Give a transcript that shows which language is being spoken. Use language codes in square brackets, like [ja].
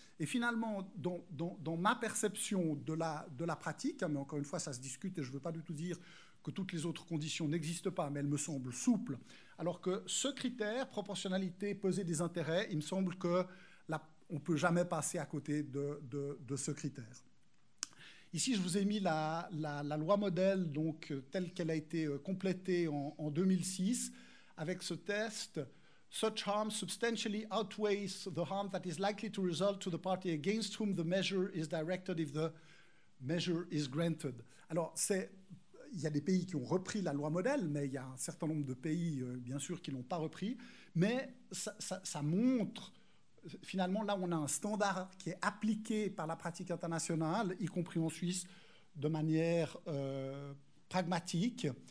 [fr] Et finalement, dans ma perception de la pratique, mais encore une fois, ça se discute et je ne veux pas du tout dire que toutes les autres conditions n'existent pas, mais elles me semblent souples, alors que ce critère, proportionnalité, peser des intérêts, il me semble que on ne peut jamais passer à côté de ce critère. Ici, je vous ai mis la loi modèle, donc telle qu'elle a été complétée en 2006, avec ce test. [en] Such harm substantially outweighs the harm that is likely to result to the party against whom the measure is directed if the measure is granted. [fr] Alors, il y a des pays qui ont repris la loi modèle, mais il y a un certain nombre de pays, bien sûr, qui ne l'ont pas repris. Mais ça montre. Finalement, là, on a un standard qui est appliqué par la pratique internationale, y compris en Suisse, de manière pragmatique.